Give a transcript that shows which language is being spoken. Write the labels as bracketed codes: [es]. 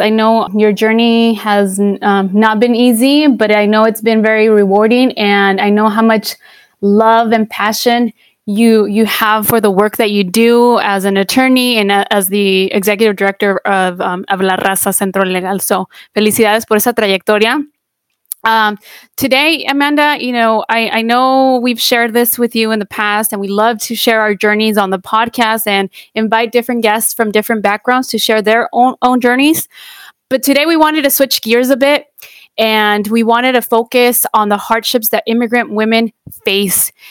[en] I know your journey has not been easy, but I know it's been very rewarding, and I know how much love and passion you have for the work that you do as an attorney and as the executive director of La Raza Centro Legal. [es] So felicidades por esa trayectoria. [en] Today, Amanda, I know we've shared this with you in the past, and we love to share our journeys on the podcast and invite different guests from different backgrounds to share their own journeys. But today we wanted to switch gears a bit And we wanted to focus on the hardships that immigrant women face.